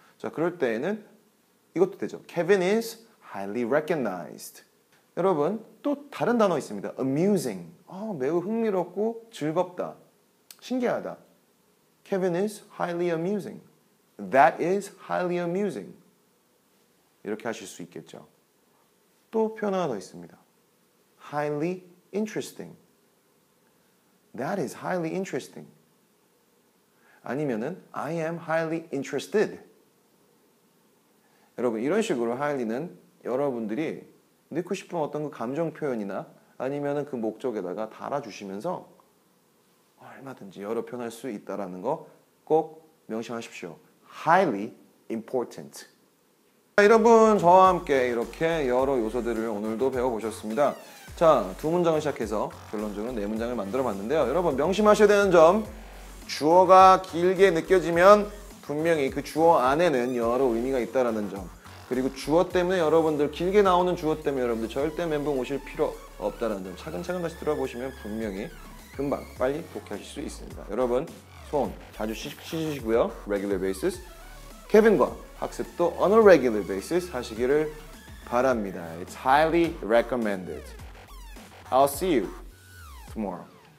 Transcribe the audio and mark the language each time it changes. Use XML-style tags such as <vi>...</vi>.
<ko>자, 그럴 때에는 이것도 되죠.</ko> <en>Kevin is highly recognized.</en> <ko>여러분, 또 다른 단어 있습니다. Amusing. 매우 흥미롭고 즐겁다. 신기하다.</ko> <en>Kevin is highly amusing. That is highly amusing.</en> <ko>이렇게 하실 수 있겠죠. 또 표현 하나 더 있습니다.</ko> <en>Highly interesting. That is highly interesting.</en> <ko>아니면은</ko> <en>I am highly interested.</en> <ko>여러분, 이런 식으로 highly는 여러분들이 넣고 싶은 어떤 그 감정 표현이나 아니면은 그 목적에다가 달아주시면서 얼마든지 여러 표현할 수 있다라는 거 꼭 명심하십시오.</ko> <en>Highly important.</en> <ko>자, 여러분, 저와 함께 이렇게 여러 요소들을 오늘도 배워보셨습니다. 자, 두 문장을 시작해서 결론적으로 네 문장을 만들어봤는데요. 여러분, 명심하셔야 되는 점, 주어가 길게 느껴지면 분명히 그 주어 안에는 여러 의미가 있다라는 점, 그리고 주어 때문에 여러분들, 길게 나오는 주어 때문에 여러분들 절대 멘붕 오실 필요 없다라는 점, 차근차근 다시 들어보시면 분명히 금방 빨리 독해하실 수 있습니다. 여러분, 손 자주 씻으시고요.</ko> <en>Regular basis.</en> <ko>케빈과 학습도</ko> <en>on a regular basis</en> <ko>하시기를 바랍니다.</ko> <en>It's highly recommended. I'll see you tomorrow.</en>